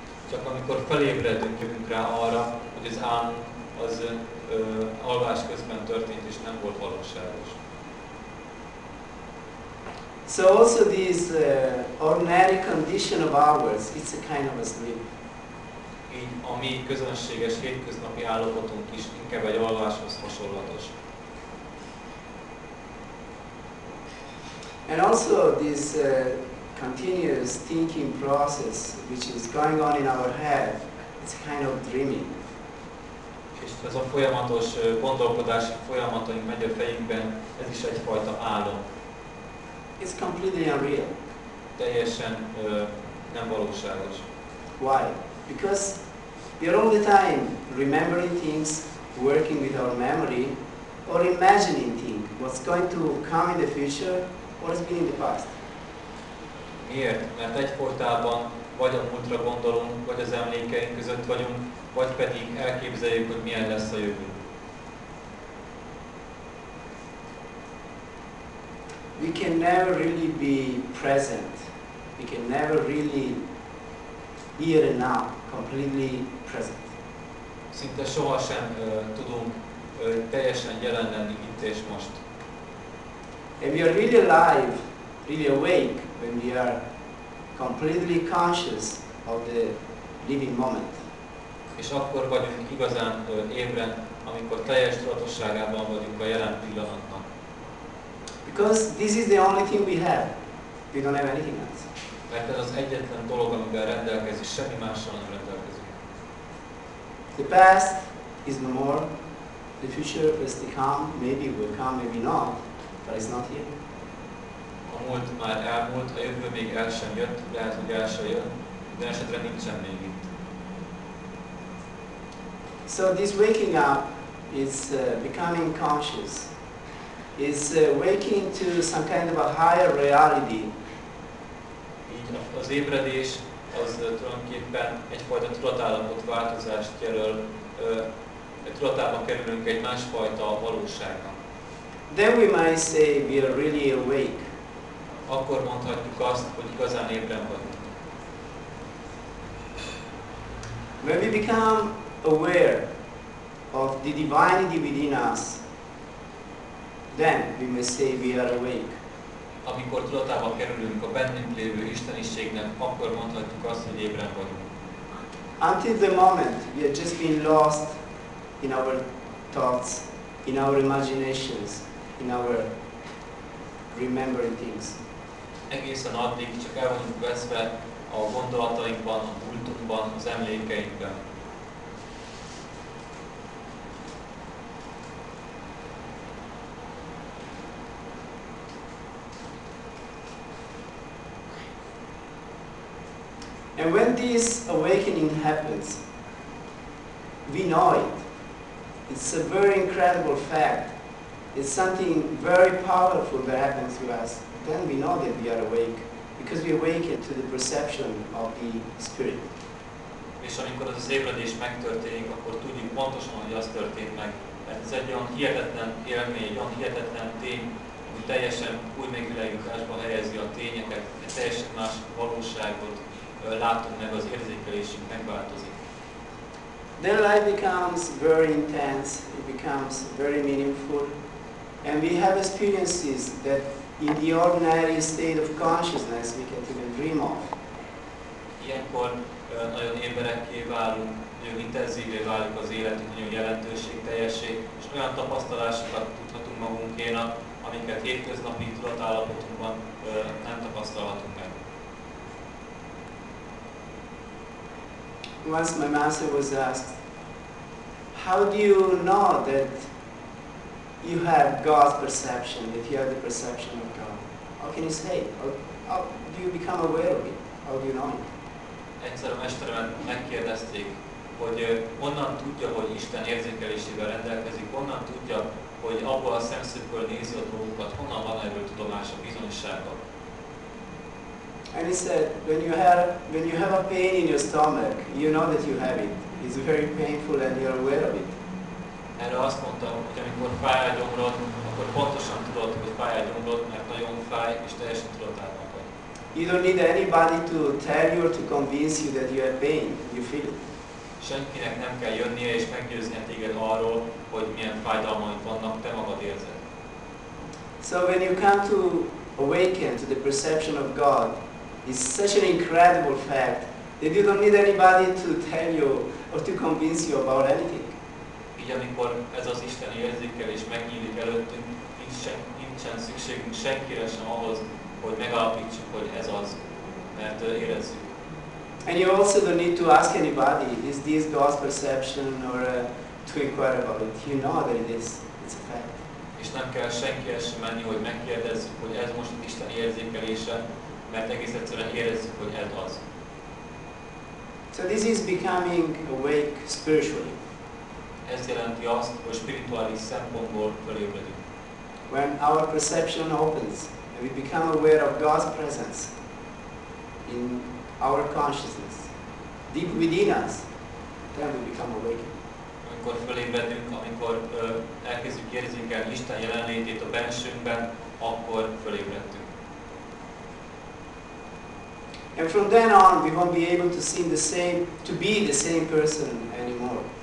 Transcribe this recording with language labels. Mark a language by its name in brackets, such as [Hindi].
[Hungarian] csak amikor felébredünk, jövünk rá arra, hogy az álmunk az alvás közben történt és nem volt valóságos. [English] So also this ordinary condition of ours, it's a kind of a sleep. [Hungarian] Így a mi közönséges hétköznapi állapotunk is inkább egy alváshoz hasonlatos. [English] And also this continuous thinking process, which is going on in our head, it's kind of dreaming. [Hungarian] És ez a folyamatos gondolkodási folyamat, ami megy a fejünkben, ez is egyfajta álom. [English] It's completely unreal. [Hungarian] Teljesen nem valóságos. [English] Why? Because we are all the time remembering things, working with our memory, or imagining things, what's going to come in the future, or has been in the past. [Hungarian] Miért? Mert egyfolytában vagy a múltra gondolunk, vagy az emlékeink között vagyunk, vagy pedig elképzeljük, hogy milyen lesz a jövő. [English] We can never really be present. We can never really here and now, completely present. [Hungarian] Szinte sohasem tudunk teljesen jelen lenni itt és most. [English] And we are really alive, really awake, when we are completely conscious of the living moment. [Hungarian] És akkor vagyunk igazán ébren, amikor teljes tudatosságában vagyunk a jelen pillanatnak. [English] Because this is the only thing we have. We don't have anything else. [Hungarian] Mert ez az egyetlen dolog, amivel rendelkezik, semmi mással nem rendelkezik. [English] The past is no more. The future is to come. Maybe will come, maybe not. But it's not here. [Hungarian] A múlt már elmúlt, a jövő még el sem jött, lehet, hogy el sem jön, de esetre nincsen még itt. [English] So this waking up is becoming conscious. Is waking to some kind of a higher reality. [Hungarian] Az ébredés az tulajdonképpen egyfajta tudatállapot változást jelöl, tudatába kerülünk egy másfajta valóságnak. [English] Then we might say we are really awake. [Hungarian] Akkor mondhatjuk azt, hogy igazán ébren vagyunk. [English] When we become aware of the divinity within us, then we may say we are awake. [Hungarian] Amikor tudatába kerülünk a bennünk lévő isteniségnek, akkor mondhatjuk azt, hogy ébren vagyunk. [English] Until the moment we have just been lost in our thoughts, in our imaginations, in our remembering things. [Hungarian] Egészen addig csak el vagyunk veszve a gondolatainkban, a múltunkban, az emlékeinkben. [English] And when this awakening happens, we know it. It's a very incredible fact. It's something very powerful that happens to us. Then we know that we are awake, because we awaken to the perception of the spirit. [Hungarian] És amikor az ébredés megtörténik, akkor tudjuk pontosan, hogy az történt meg. Mert ez egy olyan hihetetlen élmény, olyan hihetetlen tény, ami teljesen új megvilágításba helyezi a tényeket, egy teljesen más valóságot. Látunk meg, az érzékelésünk megváltozik. [English] Then life becomes very intense, it becomes very meaningful, and we have experiences that in the ordinary state of consciousness we can't even dream of. [Hungarian] Ilyenkor nagyon emberekké válunk, nagyon intenzívé válik az életünk, nagyon jelentőség teljessé, és olyan tapasztalásokat tudhatunk magunkénak, amiket hétköznapi tudatállapotunkban nem tapasztalhatunk meg. [English] Once my master was asked, how do you know that you have God's perception, that you have the perception of God? How can you say it? How do you become aware of it? How do you know it? [Hungarian] Egyszer a mesteremet megkérdezték, hogy honnan tudja, hogy Isten érzékelésével rendelkezik, honnan tudja, hogy abból a szemszögből nézi a dolgokat, honnan van erről tudomás a bizonyossággal. [English] And he said, when you have a pain in your stomach, you know that you have it. It's very painful and you're aware of it. [Hungarian] Erre azt mondta, hogy amikor fáj a gyomrod, akkor pontosan tudod, hogy fáj a gyomrod, mert nagyon fáj, és teljesen tudatában vagy. [English] You don't need anybody to tell you or to convince you that you have pain. You feel it. [Hungarian] senkinek nem kell jönnie és meggyőznie téged arról, hogy milyen fájdalmaid vannak, te magad érzed. [English] So when you come to awaken to the perception of God, it's such an incredible fact that you don't need anybody to tell you or to convince you about anything. [Hungarian] Így amikor ez az isteni érzékel és megnyílik előttünk, nincsen szükségünk senkire sem ahhoz, hogy megalapítsuk, hogy ez az, mert érezzük. [English] And you also don't need to ask anybody, is this God's perception, or to inquire about it. You know that it is. It's a fact. [Hungarian] És nem kell senkihez sem menni, hogy megkérdezzük, hogy ez most isteni érzékelése, mert egész egyszerűen érezzük, hogy ez az. [English] So this is becoming awake spiritually. [Hungarian] Ez jelenti azt, hogy spirituális szempontból felébredünk. [English] When our perception opens, and we become aware of God's presence in our consciousness, deep within us, then we become awakened. [Hungarian] Amikor felébredünk, amikor elkezdjük érzékelni Isten jelenlétét a bensőnkben, akkor felébredtünk. [English] And from then on we won't be able to see the same, to be the same person anymore.